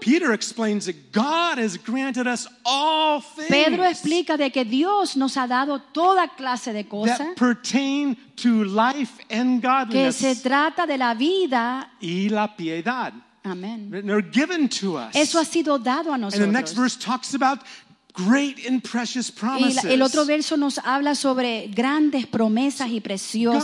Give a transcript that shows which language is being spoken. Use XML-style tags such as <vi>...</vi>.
<en>Peter explains that God has granted us all things.</en> <es>Pedro explica de que Dios nos ha dado toda clase de cosas.</es> <en>That pertain to life and godliness.</en> <es>Que se trata de la vida y la piedad.</es> <en>Amen. They're given to us.</en> <es>Eso ha sido dado a nosotros.</es> <en>And the next verse talks about great and precious promises.</en> <es>El otro verso nos habla sobre grandes promesas y preciosas.</es>